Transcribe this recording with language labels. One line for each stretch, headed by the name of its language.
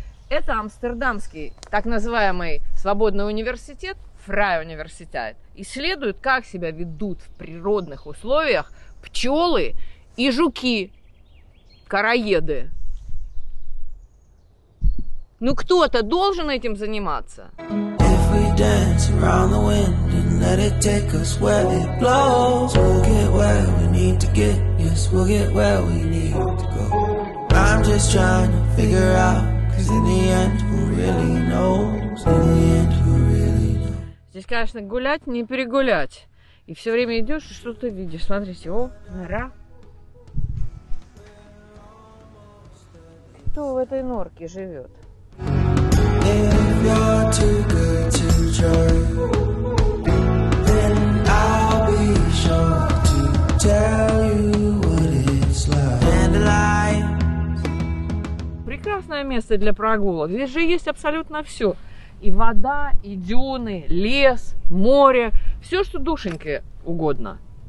Russian: Это амстердамский, так называемый свободный университет, Фрай-университет, исследует, как себя ведут в природных условиях пчелы и жуки, короеды. Ну кто-то должен этим заниматься.
English: If we dance around the wind and let it take us where it blows, we'll get where we need to get, yes, we'll get where we need to go. I'm just trying to figure out, cause in the end who really knows, in the end who really knows.
Russian: Здесь, конечно, гулять не перегулять. И все время идешь и что-то видишь. Смотрите, о, нора. Кто в этой норке живет?
English: If you're too good to try, then I'll be sure to tell you what it's like.
Russian: Прекрасное место для прогулок. Здесь же есть абсолютно все. И вода, и дюны, лес, море. Все, что душеньке угодно.